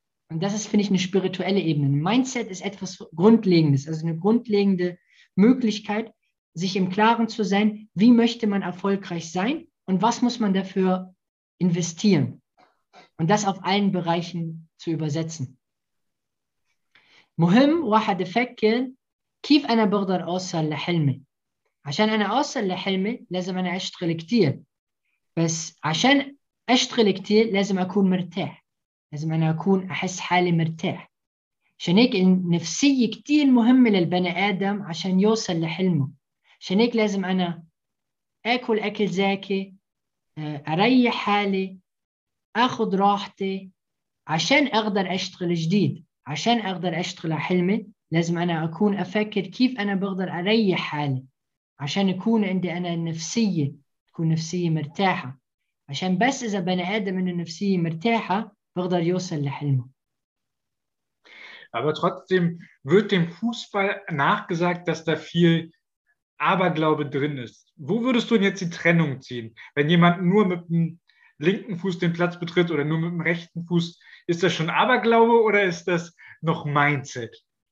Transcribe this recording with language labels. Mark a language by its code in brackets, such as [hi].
[de] Und das ist, finde ich, eine spirituelle Ebene. Mindset ist etwas Grundlegendes, also eine grundlegende Möglichkeit, sich im Klaren zu sein, wie möchte man erfolgreich sein und was muss man dafür investieren? Und das auf allen Bereichen zu übersetzen. [ar] مهم واحد يفكر كيف أنا بقدر أوصل لحلمي. عشان أنا أوصل لحلمي لازم أنا أشتغل كتير. بس عشان أشتغل كتير لازم أكون مرتاح. لازم أنا أكون أحس حالي مرتاح. عشان هيك النفسية كتير مهمة للبني آدم عشان يوصل لحلمه. عشان هيك لازم أنا أكل أكل زاكي، أريح حالي، أخذ راحتي عشان أقدر أشتغل جديد. عشان أقدر أشتغل حلمي لازم أنا أكون أفكر كيف أنا بقدر أريح حالي عشان يكون عندي أنا النفسية تكون نفسية مرتاحة. عشان بس إذا بني آدم إنه نفسية مرتاحة بقدر يوصل لحلمه. [de] Aber trotzdem wird dem Fußball nachgesagt, dass da viel Aberglaube drin ist. Wo würdest du denn jetzt die Trennung ziehen? Wenn jemand nur mit dem linken Fuß den Platz betritt oder nur mit dem rechten Fuß, ist das schon Aberglaube oder ist das noch Mindset?